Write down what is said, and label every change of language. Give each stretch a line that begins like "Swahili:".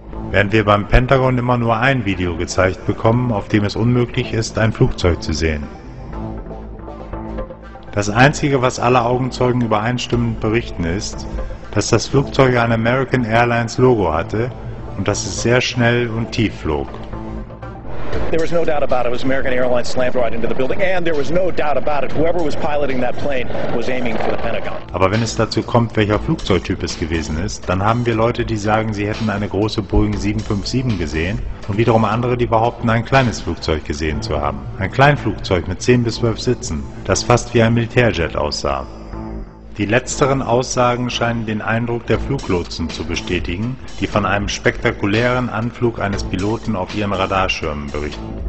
German: Während wir beim Pentagon immer nur ein Video gezeigt bekommen, auf dem es unmöglich ist, ein Flugzeug zu sehen. Das Einzige, was alle Augenzeugen übereinstimmend berichten, ist, dass das Flugzeug ein American Airlines Logo hatte und dass es sehr schnell und tief flog.
English: There was no doubt about it. It was American Airlines slammed right into the building, and there was no doubt about it. Whoever was piloting that plane was aiming for the Pentagon.
German: Aber wenn es dazu kommt, welcher Flugzeugtyp es gewesen ist, dann haben wir Leute, die sagen, sie hätten eine große Boeing 757 gesehen, und wiederum andere, die behaupten, ein kleines Flugzeug gesehen zu haben. Ein Kleinflugzeug mit 10 bis 12 Sitzen, das fast wie ein Militärjet aussah. Die letzteren Aussagen scheinen den Eindruck der Fluglotsen zu bestätigen, die von einem spektakulären Anflug eines Piloten auf ihren Radarschirmen berichten.